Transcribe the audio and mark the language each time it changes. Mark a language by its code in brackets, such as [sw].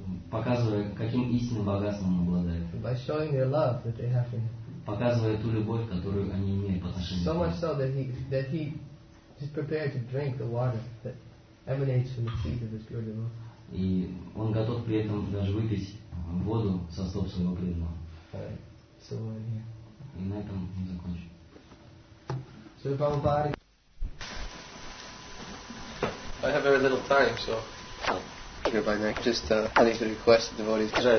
[ru] Показывая, каким истинным богатством он обладает. [en] By showing their love that they have. [ru] Показывая ту любовь, которую они имеют по отношению. [en] So much so that he is prepared to drink the water that emanates from the feet of his pure devotee. [ru] И он готов при этом даже выпить воду со стоп своего преданного. [en] Alright, so yeah. [ru] И на этом мы закончим. [en] So I have very little time, so here by now. Just I need to request the devotees.